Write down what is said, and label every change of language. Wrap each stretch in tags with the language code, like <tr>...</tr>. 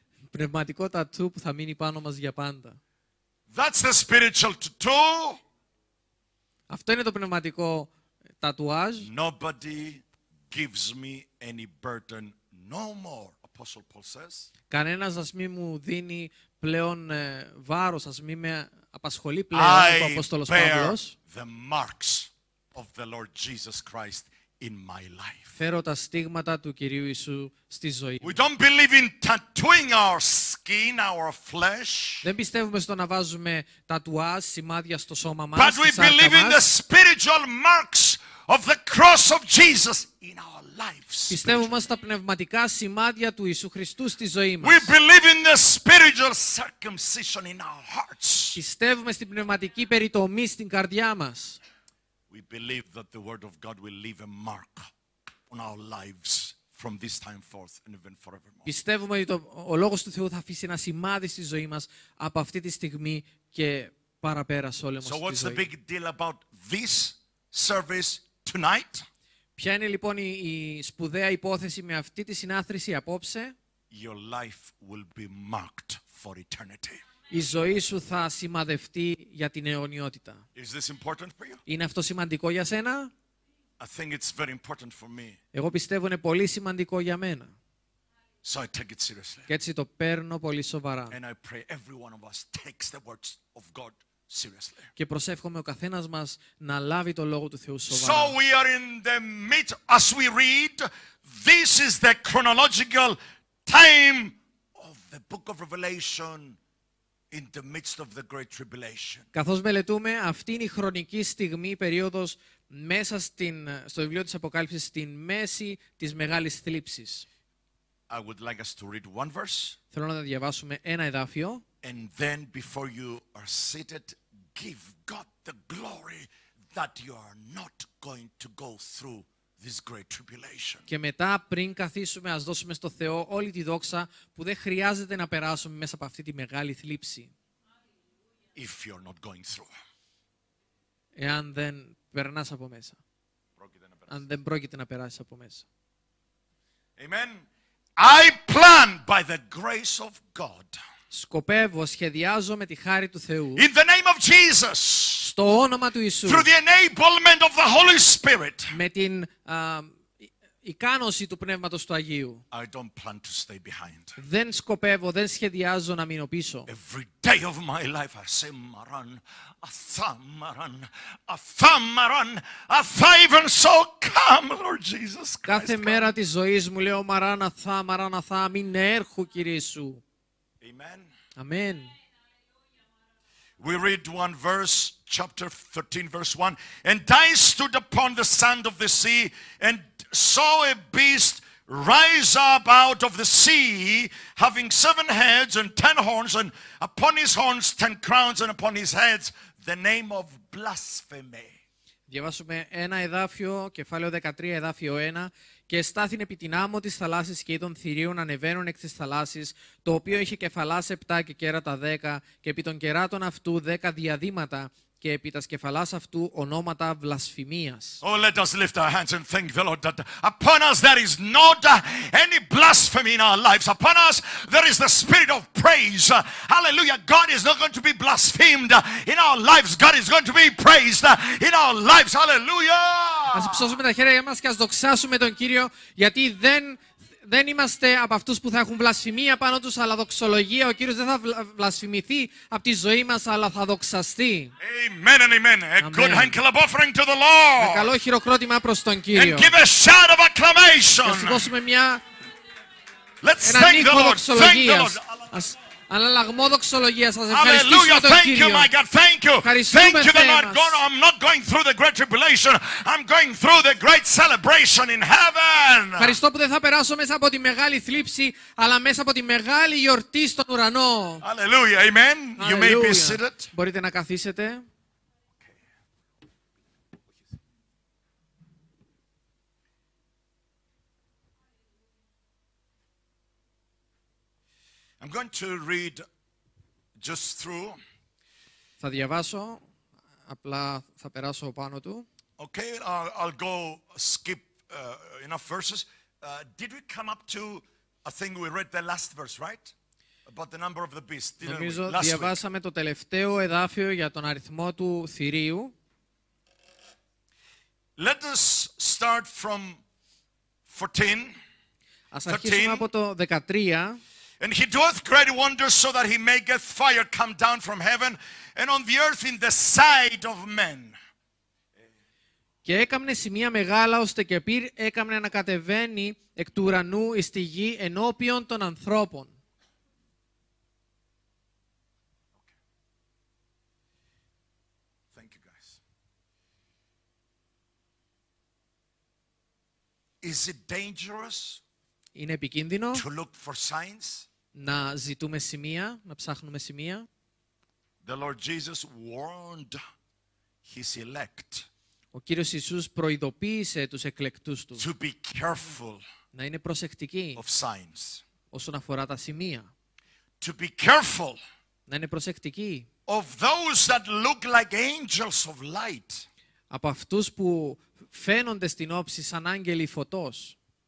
<el>Πνευματικό τατού που θα μείνει πάνω μας για πάντα.</el> <en>That's the spiritual tattoo.</en> <el>Αυτό είναι το πνευματικό τατουάζ.</el> <en>Nobody gives me any burden no more, Apostle Paul says.</en> <el>Κανένας ας μη μου δίνει πλέον βάρος, ας μη με απασχολεί πλέον, ο Απόστολος Παύλος.</el> <en>The marks of the Lord Jesus Christ in my life.</en> <el>Φέρω τα στίγματα του Κυρίου Ιησού στη ζωή.</el> <en>We don't believe in tattooing our skin, our flesh.</en> <el>Δεν πιστεύουμε στο να βάζουμε τατουάζ, σημάδια στο σώμα μας.</el> <en>But we believe in the spiritual marks of the cross of Jesus in our lives.</en> <el>Πιστεύουμε στα πνευματικά σημάδια του Ιησού Χριστού στη ζωή μας.</el> <en>We believe in the spiritual circumcision in our hearts.</en> <el>Πιστεύουμε στην πνευματική περιτομή στην καρδιά μας.</el> <en>We believe that the word of God will leave a mark on our lives from this time forth and even forevermore.</en> <el>Πιστεύουμε ότι ο λόγος του Θεού θα αφήσει ένα σημάδι στη ζωή μας από αυτή τη στιγμή και παραπέρα σε όλη μας τη ζωή.</el> <en>So what's the big deal about this service tonight?</en> <el>Ποια είναι λοιπόν η σπουδαία υπόθεση με αυτή τη συνάθρηση απόψε;</el> <en>Your life will be marked for eternity.</en> <el>Η ζωή σου θα σημαδευτεί για την αιωνιότητα.</el> <en>Is this important for you?</en> <el>Είναι αυτό σημαντικό για σένα;</el> <en>I think it's very important for me.</en> <el>Εγώ πιστεύω είναι πολύ σημαντικό για μένα.</el> <en>So I take it seriously.</en> <el>Και έτσι το παίρνω πολύ σοβαρά.</el> <en>And I pray every one of us takes the words of God seriously.</en> <el>Και προσεύχομαι ο καθένας μας να λάβει το λόγο του Θεού σοβαρά.</el> <en>So we are in the midst as we read. This is the chronological time of the book of Revelation. In the midst of the great tribulation.</en> <el>Καθώς μελετούμε, αυτή είναι η χρονική στιγμή, η περίοδος μέσα στο βιβλίο της Αποκάλυψης, στην μέση της μεγάλης θλίψης.</el> <en>I would like us to read one verse.</en> <el>Θέλω να διαβάσουμε ένα εδάφιο.</el> <en>And then before you are seated, give God the glory that you are not going to go through this great tribulation.</en> <el>Και μετά, πριν καθίσουμε, ας δώσουμε στο Θεό όλη τη δόξα που δεν χρειάζεται να περάσουμε μέσα από αυτή τη μεγάλη θλίψη.</el> <en>If you're not going through.</en> <el>Εάν δεν περνάς από μέσα. Πρόκειται να περάσεις. Αν δεν πρόκειται να περάσεις από μέσα.</el> <en>Amen. I plan by the grace of God.</en> <el>Σκοπεύω, σχεδιάζω με τη χάρη του Θεού.</el> <en>In the name of Jesus.</en> <el>Στο όνομα του Ιησού.</el> <en>Through the enablement of the Holy Spirit.</en> <el>Με την ικάνωση του Πνεύματος του Αγίου.</el> <en>I don't plan to stay behind.</en> <el>Δεν σκοπεύω, δεν σχεδιάζω να μείνω πίσω.</el> <en>Every day of my life I say Maran, Athamaran, Athamaran, Athaivan, so come Lord Jesus Christ.</en> <el>Κάθε μέρα της ζωής μου λέω Maran, Athamaran, Athamaran, μην έρχω Κύριε Ιησού.</el> <en>Amen. Amen. We read one verse chapter 13, verse 1. And I stood upon the sand of the sea and saw a beast rise up out of the sea, having seven heads and ten horns, and upon his horns ten crowns, and upon his heads the name of blasphemy.</en> <el>Διαβάσουμε ένα εδάφιο, κεφάλαιο 13, εδάφιο 1. Και στάθην επί την άμμο της θαλάσσης και είδων θηρίων ανεβαίνουν εκ της θαλάσσης, το οποίο είχε κεφαλάς 7 και κέρατα 10, και επί των κεράτων αυτού 10 διαδήματα, και επί τας κεφαλάς αυτού ονόματα βλασφημίας.</el> <en>Oh, let us lift our hands and thank the Lord that upon us there is not any blasphemy in our lives. Upon us there is the spirit of praise. Hallelujah. God is not going to be blasphemed in our lives. God is going to be praised in our lives. Hallelujah.</en> <el>Ας υψώσουμε τα χέρια μας και ας δοξάσουμε τον Κύριο, γιατί δεν είμαστε από αυτούς που θα έχουν βλασφημία πάνω τους, αλλά δοξολογία. Ο Κύριος δεν θα βλασφημηθεί από τη ζωή μας, αλλά θα δοξαστεί.</el> <en>Amen and amen. A good hand clap offering to the Lord.</en> <el>Ένα καλό χειροκρότημα προς τον Κύριο.</el> <en>And give a shout of acclamation.</en> <el>Ας δώσουμε μια...</el> <en>Let's thank the Lord.</en> <el>Δοξολογίας.</el> <en>Thank the Lord.</en> <el>Αναλλαγμό δοξολογία σας.</el> <en>Hallelujah, thank you, my God, thank you. Thank you, the Lord God. I'm not going through the great tribulation. I'm going through the great celebration in heaven.</en> <el>Ευχαριστώ που δεν θα περάσω μέσα από τη μεγάλη θλίψη, αλλά μέσα από τη μεγάλη γιορτή στον ουρανό.</el> <en>Hallelujah, amen. You may be seated.</en> <el>Μπορείτε να καθίσετε.</el> <en>I'm going to read just through.</en> <el>Θα διαβάσω, απλά θα περάσω πάνω του.</el> <en>Okay, I'll go skip enough verses. Did we come up to a thing we read the last verse, right? About the number of the beast.</en> <el>Νομίζω διαβάσαμε το τελευταίο εδάφιο για τον αριθμό του θηρίου.</el> <en>Let us start from 14.</en> <el>Ας αρχίσουμε από το 13.</el> <en>And he doeth great wonders, so that he maketh fire come down from heaven and on the earth in the sight of men.</en> <el>Και έκαμνε σημεία μεγάλα, ώστε και πυρ έκαμνε να κατεβαίνει εκ του ουρανού εις τη γη ενώπιον των ανθρώπων.</el> <en>Thank you, guys. Is it dangerous?</en> <el>Είναι επικίνδυνο?</el> <en>To look for signs?</en> <el>Να ζητούμε σημεία, να ψάχνουμε σημεία.</el> <en>The Lord Jesus warned his elect.</en> <el>Ο Κύριος Ιησούς προειδοποίησε τους εκλεκτούς του.</el> <en>To be careful.</en> <el>Να είναι προσεκτικοί.</el> <en>Of signs.</en> <el>Όσον αφορά τα σημεία.</el> <en>To be careful.</en> <el>Να είναι προσεκτικοί.</el> <en>Of those that look like angels of light.</en> <el>Από αυτούς που φαίνονται στην όψη σαν άγγελοι φωτός.</el>